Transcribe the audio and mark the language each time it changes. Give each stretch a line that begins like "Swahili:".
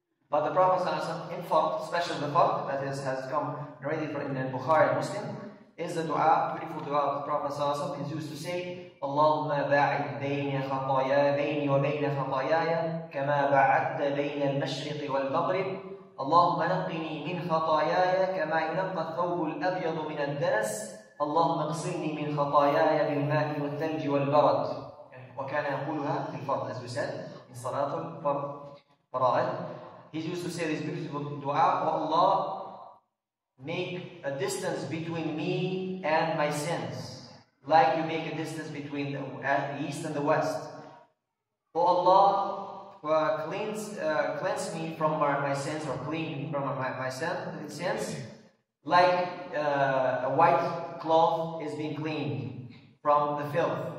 English: But the Prophet sallallahu alaihi wasallam, in Fajr, especially the Fajr, that is, has come narrated from Ibn Bukhari and Muslim, is the du'a, beautiful du'a of the Prophet sallallahu alaihi wasallam, he used to say,
Arabic: Allahumma ba'id bayni khataya, bayni wa bayna khatayaya, kama ba'adda bayna al-mashriqi wal-maghrib, اللهم نقني من خطاياي كما ينقى الثوب الأبيض من الدنس اللهم اغسلني من خطاياي بالماء والثلج والبرد. وكان يقولها في الفرض,
English: as we said, in
Arabic: صلاه الفرض فرائض.
English: He used to say this beautiful dua, oh Allah, make a distance between me and my sins, like you make a distance between the east and the west. Oh Allah, cleanse me from my sins, or clean from my sins, like a white cloth is being cleaned from the filth.